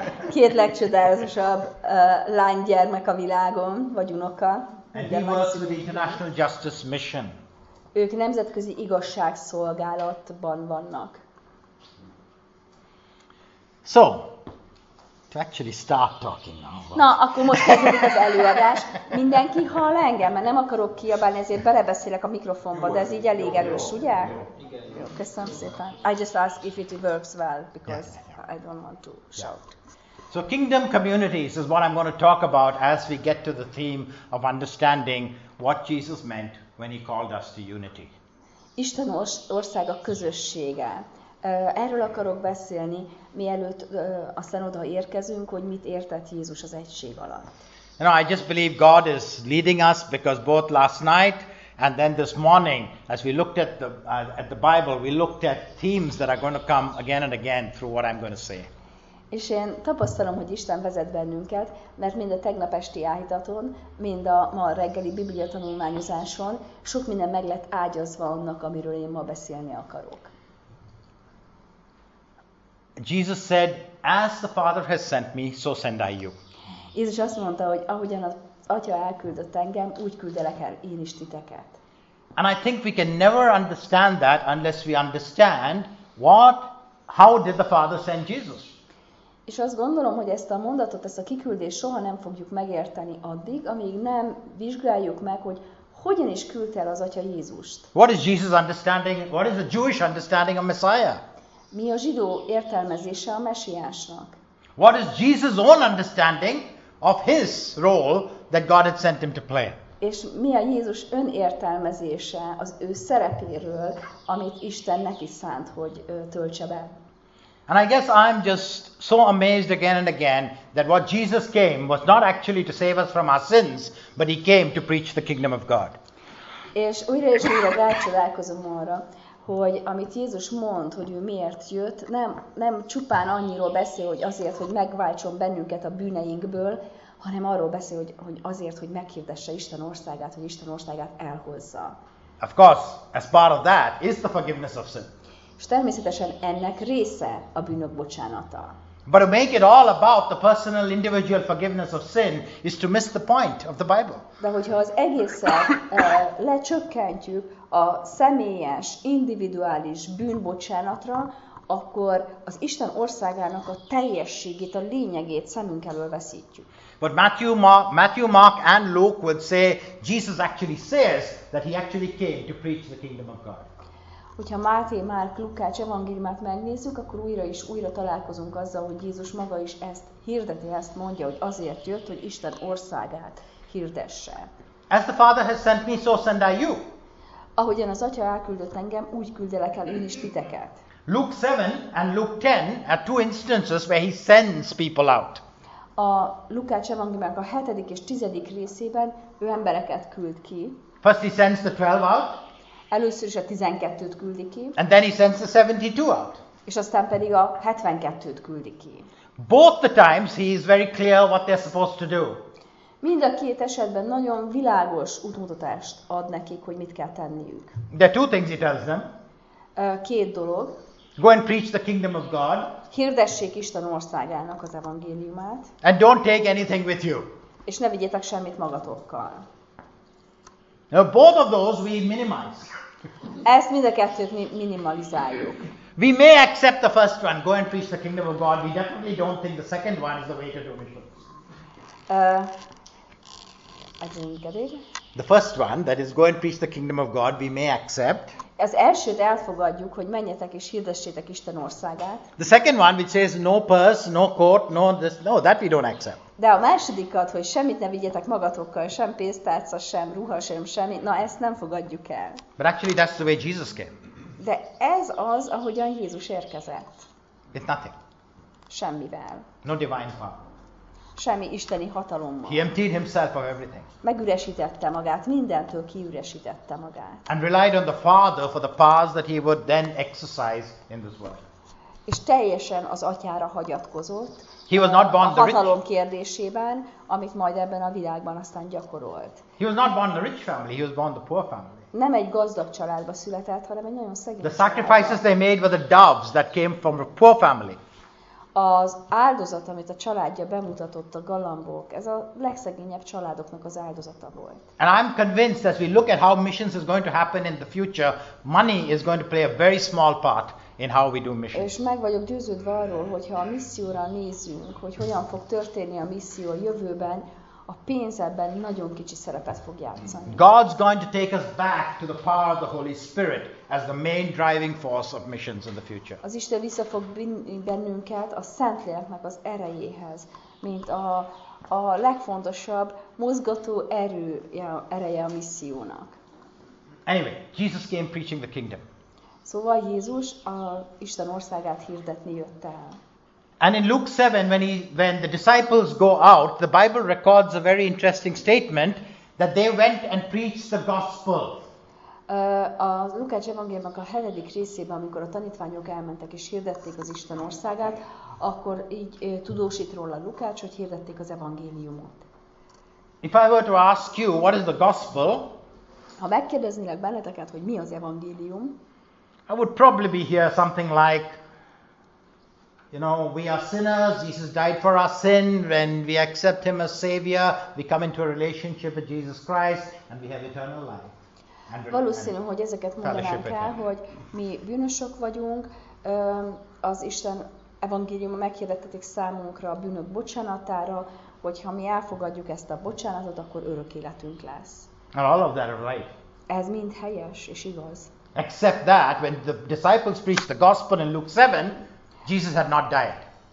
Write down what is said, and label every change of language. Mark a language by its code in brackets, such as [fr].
[hu] Két legcsodálatosabb lánygyermek a világon, vagy unoka. [en] And he works with the International Justice Mission. [hu] Ők nemzetközi igazságszolgálatban vannak. [en] So, to actually start talking now. [hu] Na, akkor most kezdődik az előadás. Mindenki hall engem, mert nem akarok kiabálni, ezért belebeszélek a mikrofonba, de ez így elég erős, ugye? Jó, köszönöm szépen. [en] I just ask if it works well, because I don't want to shout. So kingdom communities is what I'm going to talk about as we get to the theme of understanding what Jesus meant when he called us to unity. [hu] Isten országa közössége. Erről akarok beszélni, mielőtt aztán oda érkezünk, hogy mit értett Jézus az egység alatt. [en] You know, I just believe God is leading us because both last night and then this morning, as we looked at the Bible, we looked at themes that are going to come again and again through what I'm going to say. [hu] És én tapasztalom, hogy Isten vezet bennünket, mert mind a tegnap esti áhítaton, mind a ma reggeli biblia tanulmányozáson sok minden meg lett ágyazva annak, amiről én ma beszélni akarok. [en] Jesus said, as the Father has sent me, so send I you. [hu] Jézus azt mondta, hogy ahogyan az Atya elküldött engem, úgy küldelek el én is titeket. [en] And I think we can never understand that unless we understand what, how did the Father send Jesus. [hu] És azt gondolom, hogy ezt a mondatot, ezt a kiküldést soha nem fogjuk megérteni addig, amíg nem vizsgáljuk meg, hogy hogyan is küldte el az Atya Jézust. [en] What is Jesus understanding? What is the Jewish understanding of Messiah? [hu] Mi a zsidó értelmezése a Mesiásnak? [en] What is Jesus' own understanding of his role that God had sent him to play? [hu] És mi a Jézus önértelmezése az ő szerepéről, amit Isten neki szánt, hogy töltse be? [en] And I guess I'm just so amazed again and again that what Jesus came was not actually to save us from our sins, but he came to preach the kingdom of God. [hu] És újra és újra rácsodálkozom arra, hogy amit Jézus mond, hogy ő miért jött, nem csupán annyiról beszél, hogy azért, hogy megváltson bennünket a bűneinkből, hanem arról beszél, hogy azért, hogy meghirdesse Isten országát, hogy Isten országát elhozza. [en] Of course, as part of that is the forgiveness of sin. [hu] És természetesen ennek része a bűnök bocsánata. [en] But to make it all about the personal, individual forgiveness of sin is to miss the point of the Bible. [hu] De hogyha az egészet lecsökkentjük a személyes, individuális bűnbocsánatra, akkor az Isten országának a teljességét, a lényegét szemünk elől veszítjük. [en] But Matthew, Mark and Luke would say Jesus actually says that he actually came to preach the kingdom of God. [hu] Hogyha Máté, Márk, Lukács evangéliumát megnézzük, akkor újra és újra találkozunk azzal, hogy Jézus maga is ezt hirdeti, ezt mondja, hogy azért jött, hogy Isten országát hirdesse. [en] As the Father has sent me, so send I you. [hu] Ahogyan az Atya elküldött engem, úgy küldelek el én is titeket. [en] Luke 7 and Luke 10 are two instances where he sends people out. [hu] A Lukács evangéliumának a 7. és 10. részében ő embereket küld ki. [en] First he sends the 12 out. [hu] Először is a 12-t küldi ki. [en] And then he sends the 72 out. [hu] És aztán pedig a 72-t küldi ki. [en] Both the times he is very clear what they're supposed to do. [hu] Mind a két esetben nagyon világos útmutatást ad nekik, hogy mit kell tenniük. [en] There are two things he tells them. [hu] Két dolog. [en] Go and preach the kingdom of God. [hu] Hirdessék Isten országának az evangéliumát. [en] And don't take anything with you. [hu] És ne vigyétek semmit magatokkal. [en] Now both of those we minimize. [hu] Ezt mind a kettőt minimalizáljuk. [en] We may accept the first one, go and preach the kingdom of God. We definitely don't think the second one is the way to do missions. I didn't get it. The first one, that is go and preach the kingdom of God, we may accept. [hu] Az elsőt elfogadjuk, hogy menjetek és hirdessétek Isten országát. [en] The second one, which says no purse, no coat, no this, no, that we don't accept. [hu] De a másodikat, hogy semmit ne vigyetek magatokkal, sem pénztárca, sem ruha, sem semmit, na ezt nem fogadjuk el. [en] But actually that's the way Jesus came. [hu] De ez az, ahogyan Jézus érkezett. [en] With nothing. [hu] Semmivel. [en] No divine power. [hu] Semmi isteni hatalommal. [en] He emptied himself of everything. [hu] Megüresítette magát, mindentől kiüresítette magát. [en] And relied on the Father for the powers that he would then exercise in this world. [hu] És teljesen az Atyára hagyatkozott. [en] He was not born [hu] a hatalom kérdésében, amit majd ebben a világban aztán gyakorolt. [en] He was not born the rich family, he was born the poor family. [hu] Nem egy gazdag családba született, hanem egy nagyon szegény. [en] The sacrifices they made were the doves that came from a poor family. [hu] Az áldozat, amit a családja bemutatott, a galambok, ez a legszegényebb családoknak az áldozata volt. [en] And I'm convinced as we look at how missions is going to happen in the future, money is going to play a very small part in how we do missions. [hu] És meg vagyok győződve arról, hogyha a misszióra nézünk, hogy hogyan fog történni a misszió a jövőben, a pénz ebben nagyon kicsi szerepet fog játszani. [en] God's going to take us back to the power of the Holy Spirit as the main driving force of missions in the future. [hu] Az Isten vissza fog vinni bennünket a Szentléleknek az erejéhez, mint a legfontosabb mozgató erő, ereje a missziónak. [en] Anyway, Jesus came preaching the kingdom. [hu] Szóval Jézus a Isten országát hirdetni jött el. [en] And in Luke 7, when the disciples go out, the Bible records a very interesting statement that they went and preached the gospel. [hu] A Lukács evangéliumnak a 7. részében, amikor a tanítványok elmentek és hirdették az Isten országát, akkor így tudósít róla Lukács, hogy hirdették az evangéliumot. [en] If I were to ask you, what is the gospel? [hu] Ha megkérdeznélek benneteket, hogy mi az evangélium? [en] I would probably be here something like, you know, we are sinners, Jesus died for our sin, when we accept him as savior, we come into a relationship with Jesus Christ, and we have eternal life. [hu] Valószínű, hogy ezeket mondanám kell, hogy mi bűnösök vagyunk, az Isten evangéliuma meghirdetetik számunkra a bűnök bocsánatára, hogyha mi elfogadjuk ezt a bocsánatot, akkor örök életünk lesz. [en] And all of that are right. [hu] Ez mind helyes és igaz. [en] Except that when the disciples preached the gospel in Luke 7, Jesus had not died.